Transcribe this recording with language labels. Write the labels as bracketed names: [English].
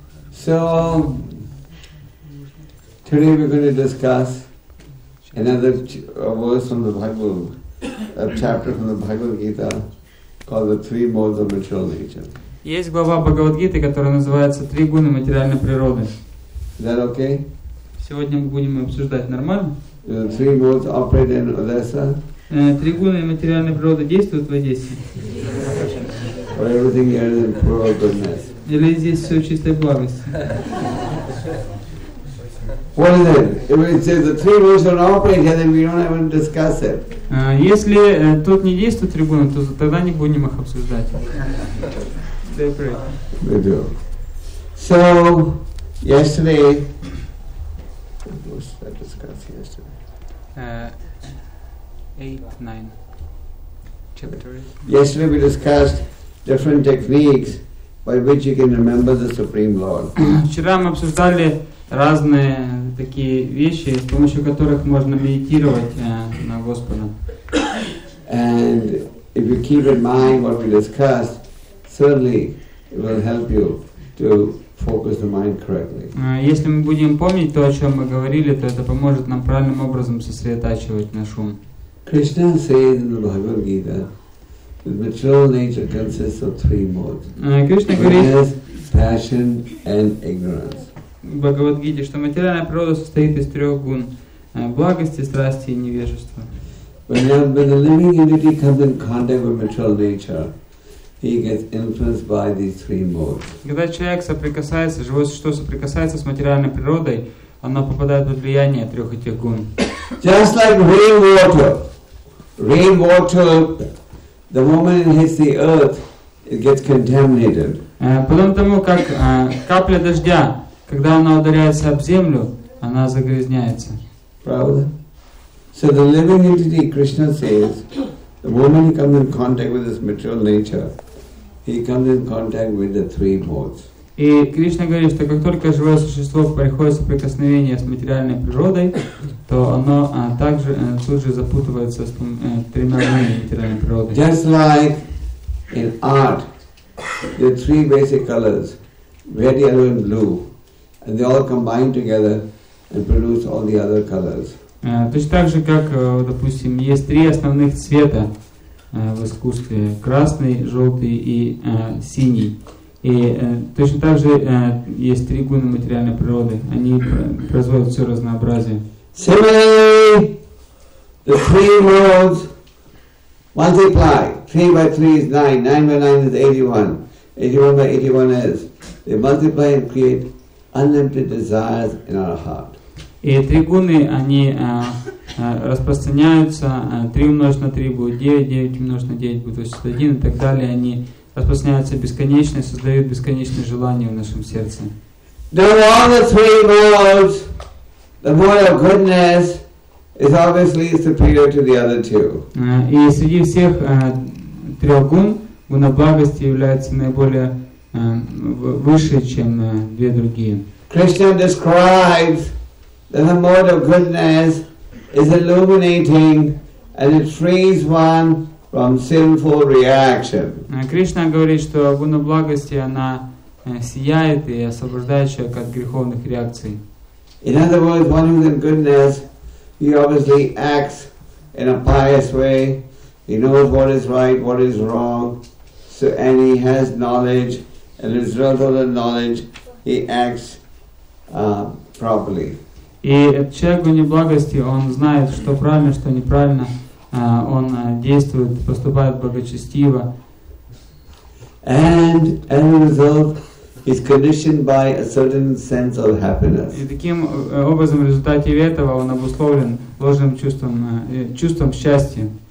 [English] So, today we're going to discuss another verse from the Bhagavad Gita, a chapter from the Bhagavad Gita called the Three Modes of Material Nature. [Russian] Есть глава Бхагавад Гиты, которая называется Три гуны материальной природы. [English] Is that okay? [Russian] Сегодня мы будем обсуждать нормально. [English] The three modes operate in Odessa. [Russian] Три гуны материальной природы действуют в Одессе. [English] Or everything here is in pure goodness. [Russian] Или здесь все чистой благости. [English] What is it? If it says the three rules are not operating here, then we don't even discuss it. [Russian] Если тут не действует трибуна, то тогда не будем их обсуждать. [English] We do. So, yesterday, what was I discussed yesterday? 8, 9 chapter. Yesterday we discussed different techniques by which you can remember the Supreme Lord. [Russian] Вчера мы обсуждали разные такие вещи, с помощью которых можно медитировать на Господа. [English] And if you keep in mind what we discussed, certainly it will help you to focus the mind correctly. [Russian] Если мы будем помнить то, о чем мы говорили, то это поможет нам правильным образом сосредотачивать наш ум. [English] Krishna says in the Bhagavad Gita, the material nature consists of three modes. [Russian] Krishna говорит, [English] passion and ignorance. [Russian] В Бхагавад-гите, что материальная природа состоит из трех гун – благости, страсти и невежества. [English] When a living entity comes in contact with material nature, he gets influenced by these three modes. [Russian] Когда человек соприкасается, живое существо соприкасается с материальной природой, оно попадает под влияние трех этих гун. [English] Just like rainwater. Rainwater, the moment it hits the earth, it gets contaminated. [Russian] Потом тому, как капля дождя, когда она ударяется об землю, она загрязняется. Правда? [English] So the living entity, Krishna says, the moment he comes in contact with his material nature, he comes in contact with the three modes. [Russian] И Кришна говорит, что как только живое существо приходит в соприкосновение с материальной природой, то оно также тут же запутывается с тремя видами материальной природы. [English] Just like in art, the three basic colors, red, yellow, and blue, and they all combine together and produce all the other colors. [Russian] Точно так же, как, допустим, есть три основных цвета в искусстве: красный, желтый и синий. И точно так же есть три гуны материальной природы. Они производят все разнообразие. [English] Similarly, the three modes multiply. 3 by 3 is 9. 9 by 9 is 81. 81 by 81 is they multiply and create unlimited desires in our heart. [Russian] И три гуны, они распространяются. 3 умножить на 3 будет 9, 9 умножить на 9 будет 81 и так далее. Они распространяются бесконечно и создают бесконечные желания в нашем сердце. [English] Now all the three modes, the mode of goodness is obviously superior to the other two. [Russian] И среди всех трех гун, гуна благости является наиболее выше, чем две другие. [English] Krishna describes that the mode of goodness is illuminating and it frees one from sinful reaction. [Russian] Кришна говорит, что гуна благости она сияет и освобождает человека от греховных реакций. [English] In other words, one who is in goodness, he obviously acts in a pious way. He knows what is right, what is wrong, so and he has knowledge. And as a result of the knowledge, he acts properly. [Russian] И человек в неблагости, он знает, что правильно, что неправильно. Он действует, поступает благочестиво. [English] And as a result, he's conditioned by a certain sense of happiness. [Russian] И таким образом, в результате этого, он обусловлен ложным чувством, чувством счастья.